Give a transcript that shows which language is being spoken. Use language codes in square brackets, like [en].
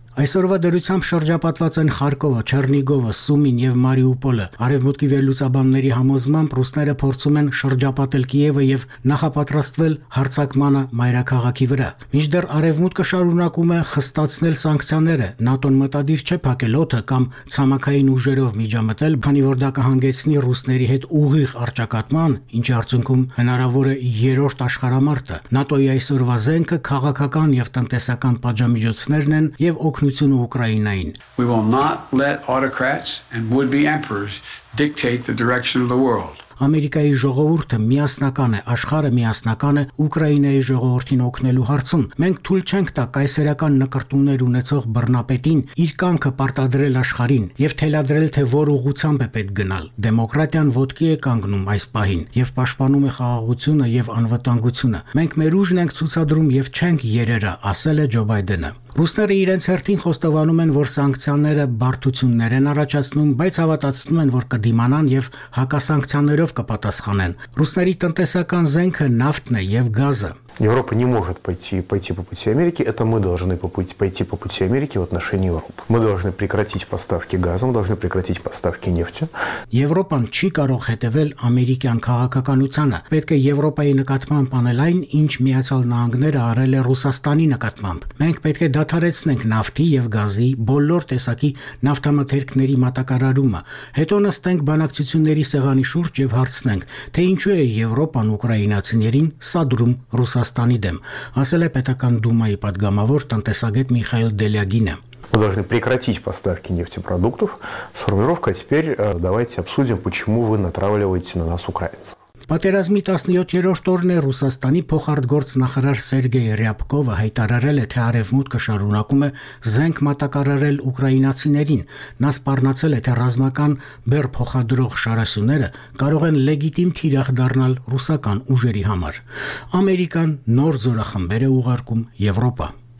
[hy] Այսօրվա դրությամբ շրջապատված են Խարկովը, Չեռնիգովը, Սումին և Մարիուպոլը։ Արևմուտքի վերլուծաբանների համոզմամբ ռուսները փորձում են շրջապատել Կիևը և նախապատրաստվել հարձակմանը մայրաքաղաքի վրա։ Մինչդեռ արևմուտքը շարունակում է խստացնել սանկցիաները, ՆԱՏՕ-ն մտադիր չէ փակել օդը կամ ցամաքային ուժերով միջամտել, քանի որ դա կհանգեցնի ռուսների հետ ուղիղ արճակատման, ինչի արդյունքում հնարավոր է երրորդ աշխարհամարտը։ ՆԱՏՕ-ի այսօրվա զենքը քաղաքական և տնտեսական պատժամիջոցներն են և [en] We will not let autocrats and would-be emperors dictate the direction of the world. [hy] Ամերիկայի ժողովուրդը միասնական է, աշխարհը միասնական է Ուկրաինայի ժողովրդին օգնելու հարցում։ Մենք թույլ չենք տա կայսերական նկարտումներ ունեցող բռնապետին իր կանքը պարտադրել աշխարհին և թելադրել, թե որ ուղղությամբ է պետք գնալ։ Դեմոկրատիան ոտքի է կանգնում այս պահին և պաշտպանում է խաղաղությունը և անվտանգությունը։ Մենք մեր ուժն ենք ցուցադրում և չենք երերա, ասել է Ջո Բայդենը։ Ռուսները իրենց հերթին խոստովանում են, որ սանկցիաները բարդություններ են առաջացնում, բայց հավատացնում են, որ կդիմանան և հակասանկցիաներով կպատասխանեն։ Ռուսների տնտեսական զենքը նավթն է և գազը։ [ru] Европа не может пойти по пути Америки. Это мы должны пойти по пути Америки в отношении Европы. Мы должны прекратить поставки газа, мы должны прекратить поставки нефти. [hy] Европа չի կարող հետևել ամերիկյան քաղաքականությանը. Պետք է Եվրոպայի նկատմամբ անել այն, ինչ Միացյալ Նահանգները արել է Ռուսաստանի նկատմամբ. Մենք պետք է դադարեցնենք նավթի և գազի բոլոր տեսակի նավթամթերքների մատակարարումը. Հետո նստենք բանակցությունների սեղանի շուրջ և հարցնենք, թե ինչու է Եվրոպան ուկրաինացիներին սադրում Ռուսաստանի դեմ, ասել է պետական դումայի պատգամավոր տնտեսագետ Միխայել Դելյագինը. [ru] Мы должны прекратить поставки нефтепродуктов. Сформировка теперь давайте обсудим, почему вы натравливаете на нас украинцев. [hy] Պատերազմի 17-րդ օրն է Ռուսաստանի փոխարտգործ նախարար Սերգեյ Ռյապկովը հայտարարել է, թե Արևմուտքը շարունակում է զենք մատակարարել ուկրաինացիներին։ Նա սպառնացել է, թե ռազմական բեռ փոխադրող շարասյուները կարող են լեգիտիմ թիրախ դառնալ ռուսական ուժերի համար։ Ամերիկան նոր զորախմբեր է ուղարկում Եվրոպա։